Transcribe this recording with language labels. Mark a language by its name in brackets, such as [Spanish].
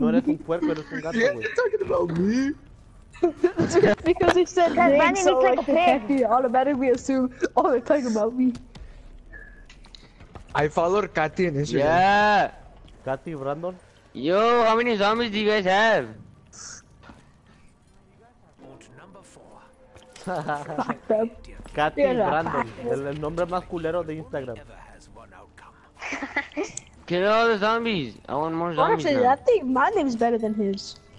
[Spanish] No eres un puerco, eres un gato, güey. [English] Because he said that Johnny looks like a pig. Automatically assume, oh, they're talking about me. I followed Katy in Instagram. Yeah. Katy, Brandon. Yo, how many zombies do you guys have? [Spanish] Katy Brandon, el nombre más culero de Instagram. [English] Get all the zombies. I want more zombies. Honestly, I think my name is better than his.